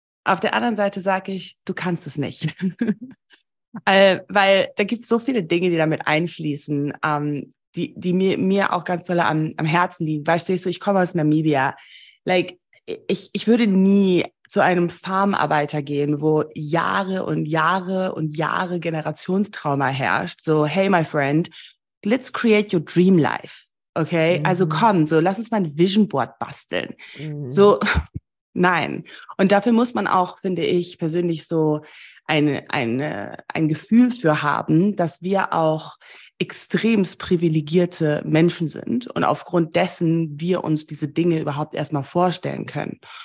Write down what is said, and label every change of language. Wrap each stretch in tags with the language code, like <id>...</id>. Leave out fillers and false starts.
<de>Auf der anderen Seite sage ich, du kannst es nicht. weil da gibt es so viele Dinge, die damit einfließen. Die mir auch ganz toll am Herzen liegen. Weißt du, ich komme aus Namibia. Like, ich würde nie zu einem Farmarbeiter gehen, wo Jahre und Jahre und Jahre Generationstrauma herrscht.</de> <en>So, hey, my friend, let's create your dream life. Okay? Mhm.</en> <de>Also komm, so, lass uns mal ein Vision Board basteln. So, nein. Und dafür muss man auch, finde ich, persönlich so ein Gefühl für haben, dass wir auch extremst privilegierte Menschen sind und aufgrund dessen wir uns diese Dinge überhaupt erstmal vorstellen können.</de>